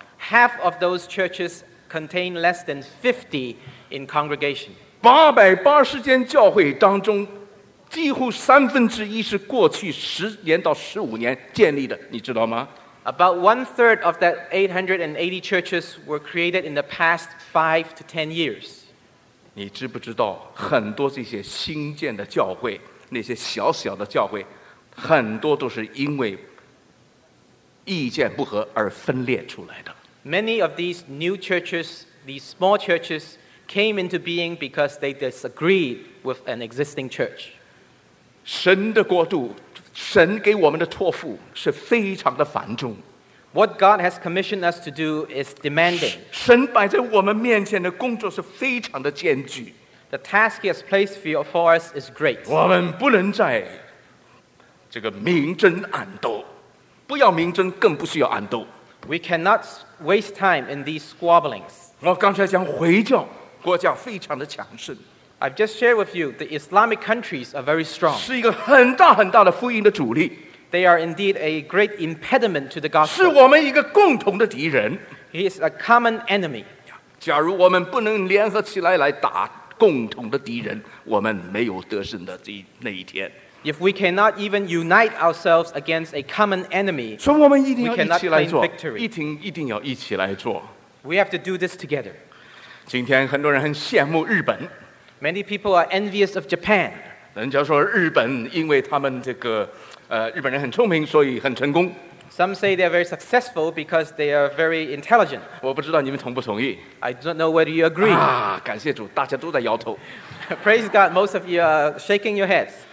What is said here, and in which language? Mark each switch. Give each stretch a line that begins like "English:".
English: Half of those churches contain less than 50 in congregation.
Chinese: 880间教会当中。几乎三分之一是过去10年到15年建立的，你知道吗？
English: About one third of that 880 churches were created in the past 5 to 10 years.
Chinese: 你知不知道很多这些新建的教会，那些小小的教会，很多都是因为意见不合而分裂出来的。
English: Many of these new churches, these small churches, came into being because they disagreed with an existing church.
Chinese: 神的国度，神给我们的托付是非常的繁重。
English: What God has commissioned us to do is demanding.
Chinese: 神摆在我们面前的工作是非常的艰巨。
English: The task He has placed for us is great.
Chinese: 我们不能再这个明争暗斗，不要明争，更不需要暗斗。
English: We cannot waste time in these squabblings.
Chinese: 我刚才讲回教，国家非常的强盛。
English: I've just shared with you, the Islamic countries are very strong.
Chinese: 是一个很大很大的福音的阻力。
English: They are indeed a great impediment to the gospel.
Chinese: 是我们一个共同的敌人。
English: He is a common enemy.
Chinese: 假如我们不能联合起来来打共同的敌人，我们没有得胜的那一天。
English: If we cannot even unite ourselves against a common enemy, we cannot claim victory.
Chinese: 一定要一起来做。
English: We have to do this together.
Chinese: 今天很多人很羡慕日本。
English: Many people are envious of Japan.
Chinese: 人家说日本因为他们这个日本人很聪明，所以很成功。
English: Some say they are very successful because they are very intelligent.
Chinese: 我不知道你们同不同意。
English: I don't know whether you agree.
Chinese: 啊，感谢主，大家都在摇头。
English: Praise God, most of you are shaking your heads.